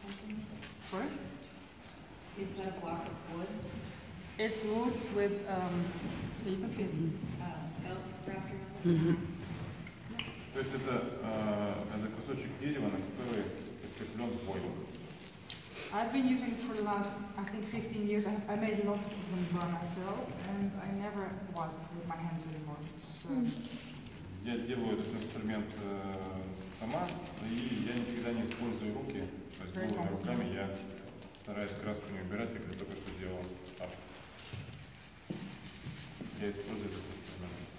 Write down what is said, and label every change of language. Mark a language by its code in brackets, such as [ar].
[en] Is that a block of wood wrapped something? Sorry? Is that a block of wood? It's wood with you can see felt wrapped around it. [ru] То есть это кусочек дерева, на который прикреплен бой. [en] I've been using it for the last, I think, 15 years. I made lots of them by myself, and I never wipe with my hands anymore. So. [ru] Я делаю этот инструмент сама, и я никогда не использую руки. То есть голыми руками я стараюсь краску не убирать, как я только что делал. Я использую этот инструмент.